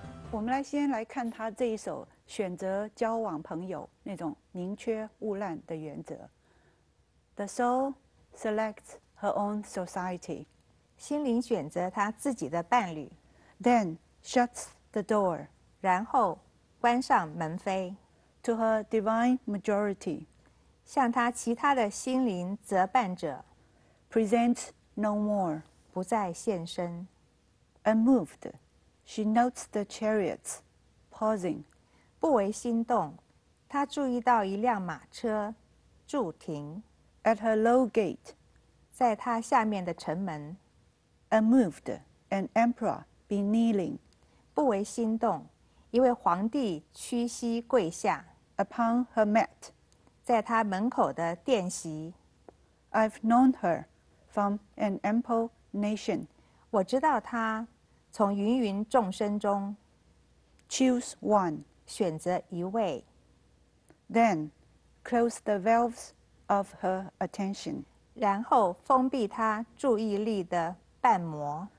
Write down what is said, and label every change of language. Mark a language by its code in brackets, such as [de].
[zh] 我们来先来看他这一首选择交往朋友那种宁缺毋滥的原则。 [en] The soul selects her own society. [zh] 心灵选择他自己的伴侣。 [en] Then shuts the door. [zh] 然后关上门扉。 [en] To her divine majority. [zh] 向他其他的心灵责伴者。 [en] Presents no more. [zh] 不再现身。 [en] Unmoved, she notes the chariots pausing. [zh] 不为心动，他注意到一辆马车驻停。 [en] At her low gate, [zh] 在她下面的城门。 [en] Unmoved, an emperor be kneeling. [zh] 不为心动，一位皇帝屈膝跪下。 [en] Upon her mat, [zh] 在她门口的垫席。 [en] I've known her from an ample nation. [zh] 我知道她从芸芸众生中。 [en] Choose one, [zh] 选择一位。 [en] Then, close the valves. Of her attention, [zh] 然后封闭她注意力的瓣膜